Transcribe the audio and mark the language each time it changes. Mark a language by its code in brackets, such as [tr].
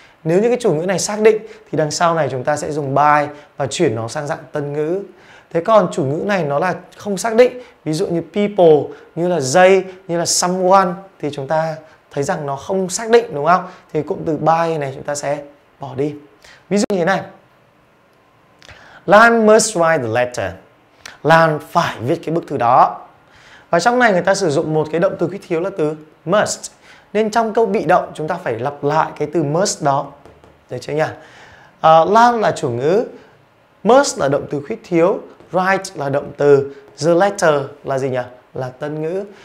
[vi] Nếu như cái chủ ngữ này xác định thì đằng sau này chúng ta sẽ dùng by và chuyển nó sang dạng tân ngữ. Thế còn chủ ngữ này nó là không xác định, ví dụ như people, như là they, như là someone, thì chúng ta thấy rằng nó không xác định, đúng không? Thì cụm từ by này chúng ta sẽ bỏ đi. Ví dụ như thế này. [en] Lan must write the letter. [vi] Lan phải viết cái bức thư đó. Và trong này người ta sử dụng một cái động từ khuyết thiếu là từ must. Nên trong câu bị động chúng ta phải lặp lại cái từ must đó. Được chưa nhỉ? Lan là chủ ngữ. Must là động từ khuyết thiếu. Write là động từ. The letter là gì nhỉ? Là tân ngữ.